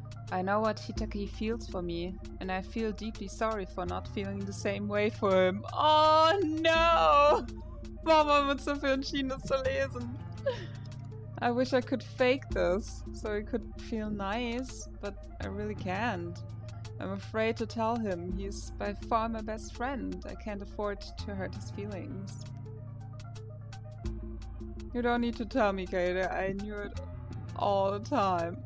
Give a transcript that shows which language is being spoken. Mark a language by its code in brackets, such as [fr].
[en] I know what Hitaki feels for me, and I feel deeply sorry for not feeling the same way for him. Oh no! [de] Warum haben wir uns dafür entschieden, das zu lesen? [en] I wish I could fake this, so he could feel nice, but I really can't. I'm afraid to tell him. He's by far my best friend. I can't afford to hurt his feelings. You don't need to tell me, Kaede. I knew it all the time.